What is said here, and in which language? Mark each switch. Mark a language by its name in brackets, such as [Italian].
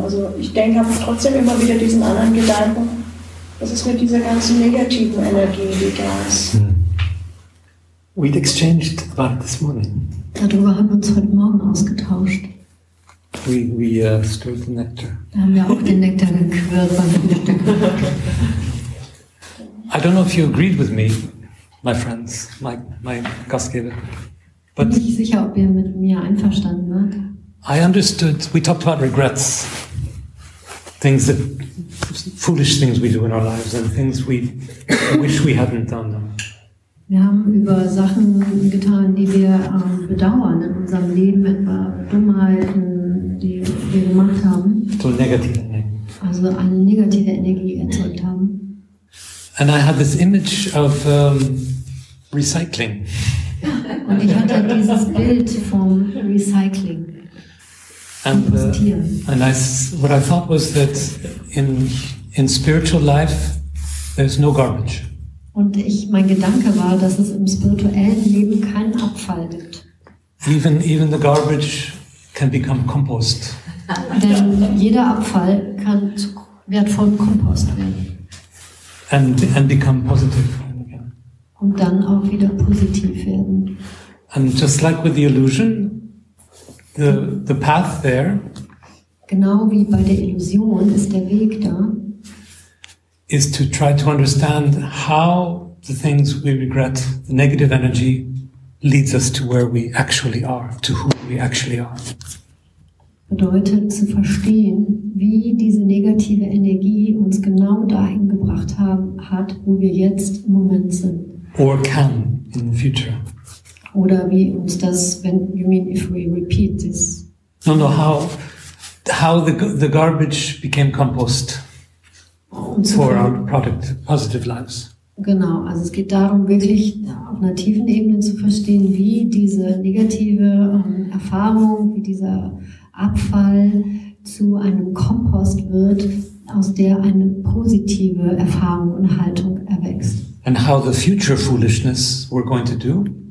[German] Also ich denke, habe trotzdem immer wieder diesen anderen Gedanken, was ist mit dieser ganzen negativen Energie, die da ist. [English] We'd exchanged about this morning. [German] Darüber haben wir uns heute Morgen ausgetauscht. [English] We stirred the nectar. [German] Da haben wir auch den Nektar gequirlt beim Frühstück. [English] I don't know if you agreed with me, my friends, my Gastgeber. [German] But ich bin nicht sicher, ob ihr mit mir einverstanden wart. [English] I understood. We talked about regrets, things that foolish things we do in our lives and things we wish we hadn't done them. [German] Wir haben über Sachen getan, die wir bedauern in unserem Leben, etwa Dummheiten, die wir gemacht haben. [English] So negative energy. [German] Also eine negative Energie erzeugt haben. [English] And I had this image of recycling. [German] Und ich hatte dieses Bild vom Recycling. [English] And, what I thought was that in spiritual life there's no garbage. [German] Und mein Gedanke war, dass es im spirituellen Leben keinen Abfall gibt. [English] Even the garbage can become compost. [German] Denn jeder Abfall kann zu wertvollem Kompost werden. [English] And become positive again. [German] Und dann auch wieder positiv werden. [English] And just like with the illusion, the path there. [German] Genau wie bei der Illusion ist der Weg da. [English] Is to try to understand how the things we regret, the negative energy, leads us to where we actually are, to who we actually are. [German] Bedeutet zu verstehen, wie diese negative Energie uns genau dahin gebracht hat, wo wir jetzt im Moment sind. [English] Or can in the future. [German] Oder wie uns das, wenn, [English] you mean if we repeat this? No, how the garbage became compost. For our product, positive lives. [German] Genau, also es geht darum, wirklich auf einer tiefen Ebene zu verstehen, wie diese negative Erfahrung, wie dieser Abfall zu einem Kompost wird, aus der eine positive Erfahrung und Haltung erwächst. [English] And how the future foolishness we're going to do?